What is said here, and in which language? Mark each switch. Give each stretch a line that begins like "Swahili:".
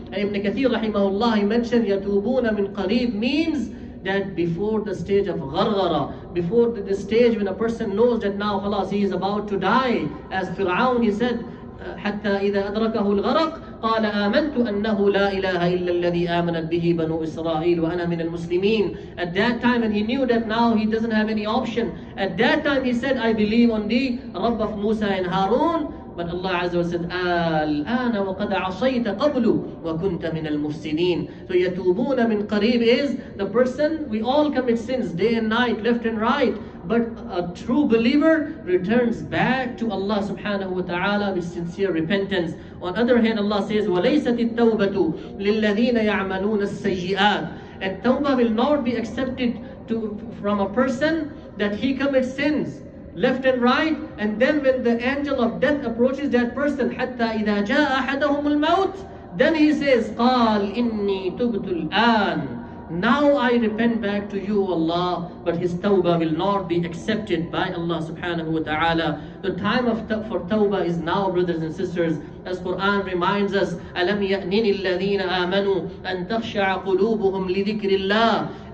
English: And Ibn Kathir rahimahullah, he mentioned,
Arabic: يَتُوبُونَ مِنْ قَرِيبٍ
English: means that before the stage of gharghara, before the stage when a person knows that now khalas, he is about to die, as Fir'aun, he said,
Arabic: حتى إذا أدركه الغرق قال آمنت أنه لا إله إلا الذي آمنت به بنو إسرائيل وأنا من المسلمين.
English: At that time, and he knew that now he doesn't have any option. At that time, he said, I believe on thee, رب of Musa and Harun. But Allah Azza wa said,
Arabic: الآن وقد عصيت قبل وكنت من المفسدين.
English: So
Arabic: يتوبون من قريب
English: is the person, we all commit sins day and night, left and right. But a true believer returns back to Allah subhanahu wa ta'ala with sincere repentance. On other hand, Allah says,
Arabic: وليست التوبة للذين يعملون السيئات.
English: And tawbah will not be accepted from a person that he commits sins left and right, and then when the angel of death approaches that person,
Arabic: حَتَّى إِذَا جَاءَ أَحَدَهُمُ الْمَوْتِ
English: Then he says,
Arabic: قال إني تبت الآن.
English: Now I repent back to you, Allah, but his tawbah will not be accepted by Allah subhanahu wa ta'ala. The time of for tawbah is now, brothers and sisters. As Quran reminds us,
Arabic: أَلَمْ يَأْنِنِ الَّذِينَ آمَنُوا أَنْ تَخْشَعَ قُلُوبُهُمْ لِذِكْرِ اللَّهِ.